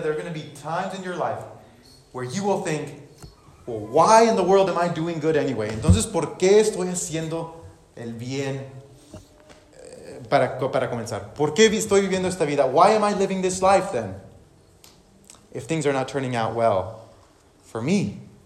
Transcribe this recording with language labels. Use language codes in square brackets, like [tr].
[en] There are going to be times in your life where you will think, well, why in the world am I doing good anyway? [es] Entonces, ¿por qué estoy haciendo el bien para comenzar? ¿Por qué estoy viviendo esta vida? [en] Why am I living this life then? If things are not turning out well for me.